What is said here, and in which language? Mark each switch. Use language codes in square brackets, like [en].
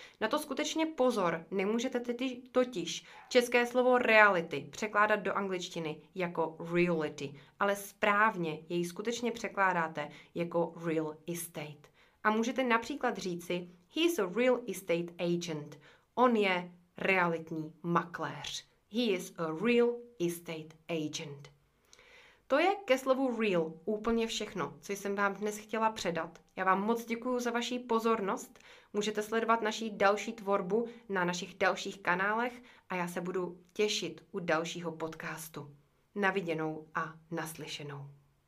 [cs] Na to skutečně pozor, nemůžete totiž české slovo reality překládat do angličtiny jako reality, ale správně jej skutečně překládáte jako real estate. A můžete například říci, he is a real estate agent. On je realitní makléř. [en] He is a real estate agent. [cs] To je ke slovu real úplně všechno, co jsem vám dnes chtěla předat. Já vám moc děkuju za vaši pozornost. Můžete sledovat naši další tvorbu na našich dalších kanálech a já se budu těšit u dalšího podcastu. Na viděnou a naslyšenou.